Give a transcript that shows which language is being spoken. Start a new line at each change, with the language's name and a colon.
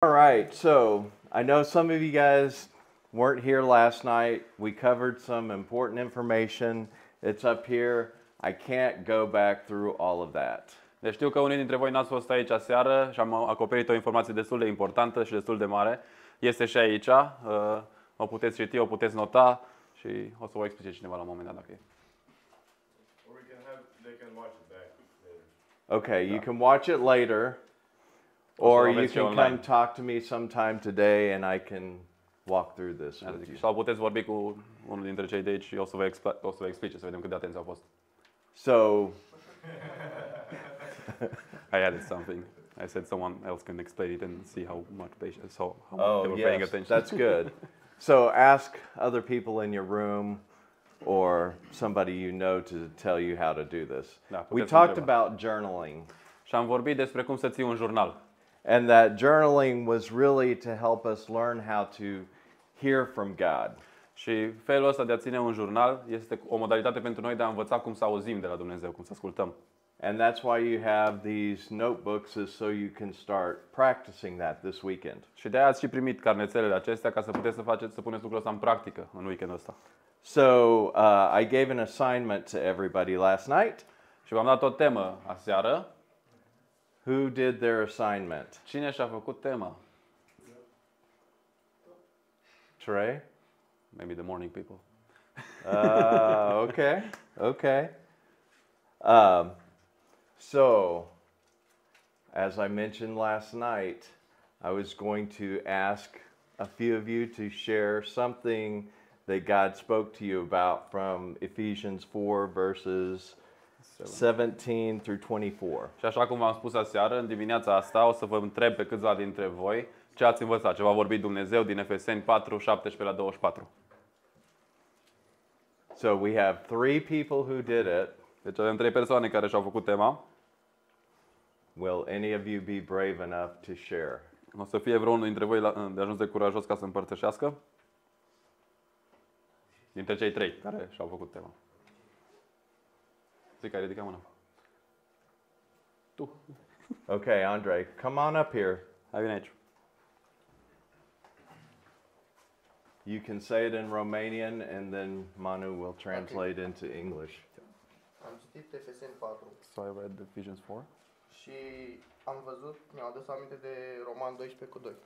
English: All right, so I know some of you guys weren't here last night. We covered some important information. It's up here. I can't go back through all of that.
Romanian: Deci știu că unii dintre voi n-ați fost aici aseară și am acoperit o informație destul de importantă și destul de mare. Este și aici. O puteți citi, o puteți nota și o să vă explice cineva la un moment dat dacă e.
English: Or we can have, they can watch it back later. Okay,
Romanian: da.
English: You can watch it later. Or you can come talk to me sometime today and I can walk through this with you.
Romanian: Sau puteți vorbi cu unul dintre cei de aici și o să vă explice, să vedem cât de atenți au fost.
English: So I added something. I said someone else can explain it and see how much patience, so how much they were paying attention. That's good. So ask other people in your room or somebody you know to tell you how to do this.
Romanian: Da,
English: we talked about journaling.
Romanian: Și am vorbit despre cum să ții un jurnal.
English: And that journaling was really to help us learn how to hear from God.
Romanian: Și felul ăsta de a ține un jurnal este o modalitate pentru noi de a învăța cum să auzim de la Dumnezeu, cum să ascultăm.
English: And that's why you have these notebooks is so you can start practicing that this weekend.
Romanian: Și de aia ați și primit carnețelele acestea ca să puteți să puneți lucrul ăsta în practică în weekendul ăsta.
English: So, I gave an assignment to everybody last night.
Romanian: Și v-am dat o temă aseară.
English: Who did their assignment?
Romanian: Cine și-a făcut tema?
English: Trey? Maybe the morning people. Okay. So, as I mentioned last night, I was going to ask a few of you to share something that God spoke to you about from Ephesians 4 verses 17 through 24.
Romanian: Și așa cum v-am spus aseară, în dimineața asta o să vă întreb pe câțiva dintre voi ce ați învățat, ce v-a vorbit Dumnezeu din Efeseni 4, 17 la 24.
English: So we have three people who did it.
Romanian: Deci avem trei persoane care și-au făcut tema.
English: Will any of you be brave enough to share?
Romanian: O să fie vreunul dintre voi de ajuns de curajos ca să împărtășească? Dintre cei trei care și-au făcut tema. Zic, ai ridicat mâna. Tu.
English: Okay, Andre, come on up here.
Romanian: Hai vine aici.
English: You can say it in Romanian and then Manu will translate okay. Into English.
Romanian: Am citit Efeseni 4.
English: So I read Ephesians 4.
Romanian: Și am văzut, mi-au adus aminte de Roman 12 cu 2.